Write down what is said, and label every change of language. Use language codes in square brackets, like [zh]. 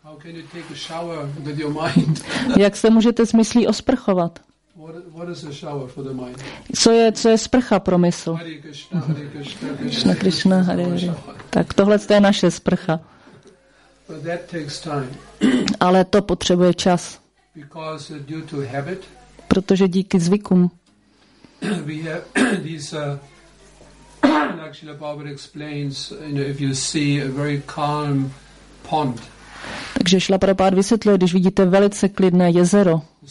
[en] Can you take a shower with your mind? [cs] Jak se můžete s myslí osprchovat? [en] What is a shower for the mind? [cs] Co je sprcha pro mysl? Krishna, Krishna, Hare. Tak tohle je naše sprcha. [en] But that takes time. [cs] Ale to potřebuje čas. [en] Because due to habit. [cs] Protože díky zvykům. [en] We have these Srila Prabhupada explains, you know, if you see a very calm pond. [cs] Takže Srila Prabhupada vysvětluje, když vidíte velice klidné jezero.